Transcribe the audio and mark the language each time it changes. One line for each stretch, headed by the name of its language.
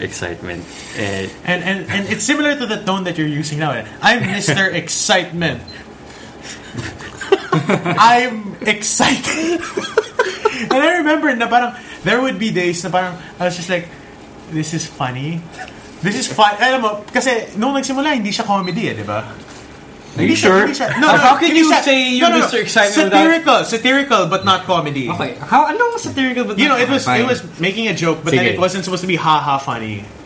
English: Excitement. And it's similar to the tone that you're using now. I'm Mr. Excitement. I'm excited. And I remember
Filipino: na parang
English: there would be days na parang I was just like, This is funny.
Filipino: Alam mo, kasi nung nagsimula, hindi siya comedy eh, di ba?
English: Are you sure? How can you say Mr. Excitement satirical, but not comedy. Okay. How? Anong satirical, but you not know, You know, it was making a joke, but sige. Then it wasn't supposed to be ha-ha funny.